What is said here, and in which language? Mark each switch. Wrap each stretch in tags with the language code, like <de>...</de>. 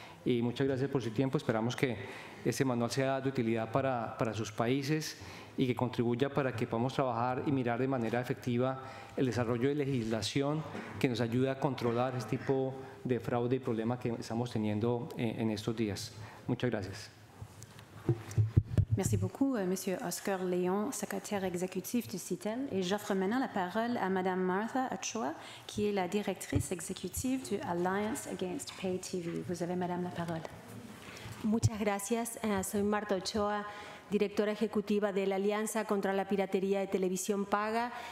<es>Y muchas gracias por su tiempo. Esperamos que este manual sea de utilidad para sus países y que contribuya para que podamos trabajar y mirar de manera efectiva el desarrollo de legislación que nos ayude a controlar este tipo de fraude y problema que estamos teniendo en estos días. Muchas gracias.</es> <fr>Merci beaucoup, Monsieur Oscar Léon, secrétaire exécutif du CITEL. Et j'offre maintenant la parole à Madame Martha Ochoa, qui est la directrice exécutive du Alliance Against Pay TV. Vous avez, Madame, la parole.</fr> <es>Muchas gracias. Soy Martha Ochoa, directora ejecutiva de la Alianza contra la Piratería de Televisión Paga.</es>